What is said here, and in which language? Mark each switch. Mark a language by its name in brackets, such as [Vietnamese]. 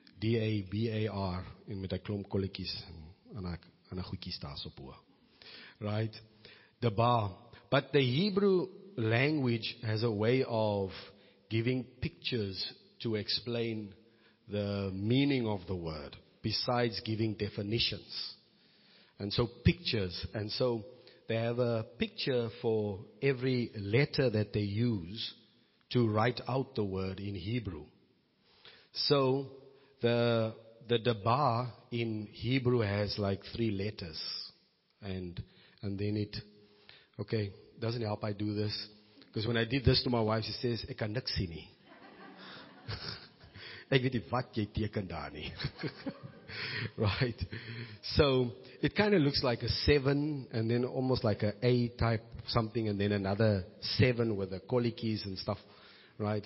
[Afrikaans] D-A-B-A-R, in met 'n klomp kolletjies en 'n goetjie daarsoop. [English] Right? Dabar. But the Hebrew language has a way of giving pictures to explain the meaning of the word, besides giving definitions. And so pictures. And so they have a picture for every letter that they use to write out the word in Hebrew. So the dabar in Hebrew has like three letters. And then it, okay, doesn't help I do this. Because when I did this to my wife, she says, [Afrikaans] "Ek kan niks sien nie." Ek weet nie wat jy teken daar nie. [English] Right. So it kind of looks like a 7 and then almost like an A type something and then another 7 with the kolikis and stuff. Right.